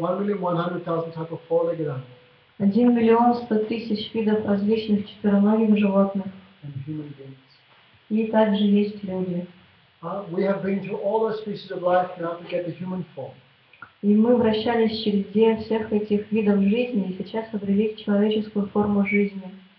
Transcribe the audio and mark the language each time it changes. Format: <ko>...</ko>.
<en>1,100,000 type of four-legged animals.</en> <ru>1,100,000 видов различных четвероногих животных.</ru> <en>And human beings.</en> <ru>И также есть люди.</ru> <en>We have been through all the species of life now to get the human form.</en> <ru>И мы вращались через все всех этих видов жизни и сейчас обрели человеческую форму жизни.</ru>